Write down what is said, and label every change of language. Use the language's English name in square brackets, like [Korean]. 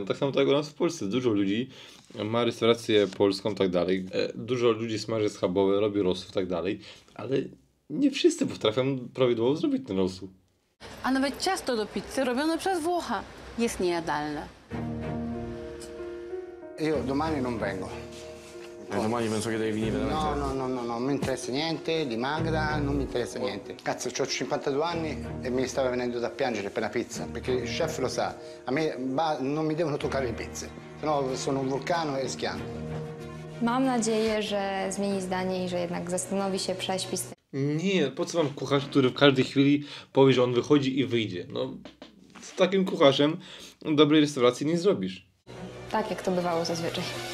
[Polish] No, tak samo tak u nas w Polsce. Dużo ludzi ma restaurację polską i tak dalej. Dużo ludzi smaży schabowe, robi rosół i tak dalej. Ale nie wszyscy potrafią prawidłowo zrobić ten rosół. A nawet ciasto do pizzy robione przez Włocha jest niejadalne. [Italian] Io domani non vengo. Domani penso che devi venire. No, mi interessa niente di Magda, non mi interessa niente. Cazzo, ho 52 anni e mi stava venendo da piangere per la pizza, perché il chef lo sa, a me non mi devono toccare le pizze, sennò sono un vulcano e schianto. [Polish] Mam nadzieję, że zmieni zdanie i że jednak zastanowi się, prześpi. Nie, po co mam kucharz, który w każdej chwili powie, że on wychodzi i wyjdzie? No, z takim kucharzem dobrej restauracji nie zrobisz. Tak, jak to bywało zazwyczaj.